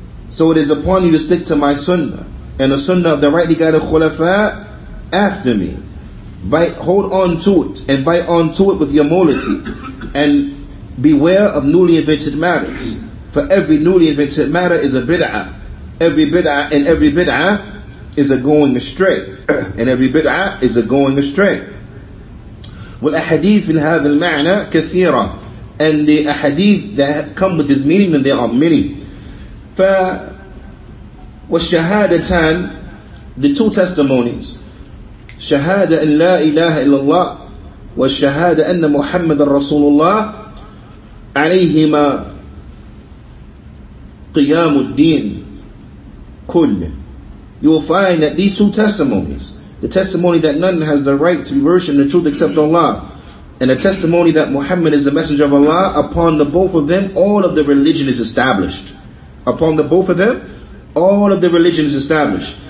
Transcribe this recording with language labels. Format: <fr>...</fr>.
<en>So it is upon you to stick to my sunnah and the sunnah of the rightly guided khulafa after me. Hold on to it and bite on to it with your molity, and beware of newly invented matters. For every newly invented matter is a bid'ah. Every bid'ah and every bid'ah is a going astray. And every bid'ah is a going astray. Well, ahadith in</en> <ar>هذا المعنى كثيرة.</ar> <en>And the ahadith that have come with this meaning, and there are many.</en> <ar>والشهادتان,</ar> <en>the two testimonies,</en> <ar>شهادة أن لا إله إلا الله والشهادة أن محمد رسول الله عليهما قيام الدين كل.</ar> <en>you will find that these two testimonies, the testimony that none has the right to worship the truth except Allah, and the testimony that Muhammad is the messenger of Allah, upon the both of them, all of the religion is established. Upon the both of them, all of the religion is established.</en>